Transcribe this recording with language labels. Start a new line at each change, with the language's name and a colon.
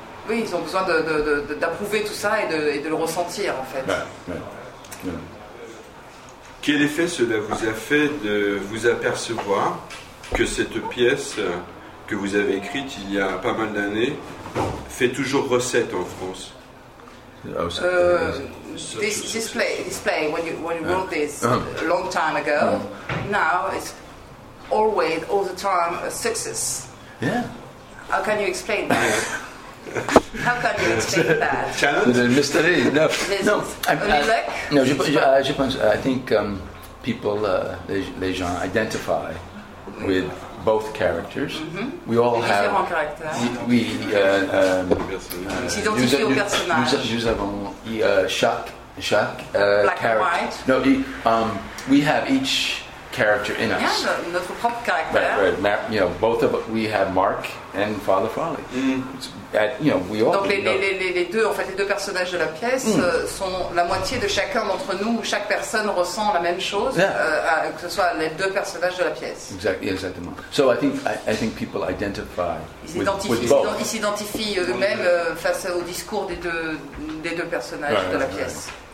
French: Oui, ils ont besoin d'approuver tout ça et de le ressentir, en fait. Quel effet cela vous a fait de vous apercevoir que cette pièce que vous avez écrite il y a pas mal d'années fait toujours recette en France?
English: This play, when you wrote this a long time ago, now it's always, all the time, a success. Yeah. How can you explain that? How can you explain that? Challenge? The mystery? No. I think people,
French: les gens,
English: identify with both characters. Mm-hmm. We all have.
French: Nous avons chaque
English: black character. We have each character in us. Yeah, the pop character. Right, right. Matt, you know, both of us, we have Mark and Father Farley. Mm. It's at, you know, we all.
French: Donc les deux, en fait, les deux personnages de la pièce sont la moitié de chacun d'entre nous. Chaque personne ressent la même chose, que ce soit les deux personnages de la pièce. Exactement.
English: So I think people identify.
French: Ils s'identifient eux-mêmes face au discours des deux personnages de la pièce.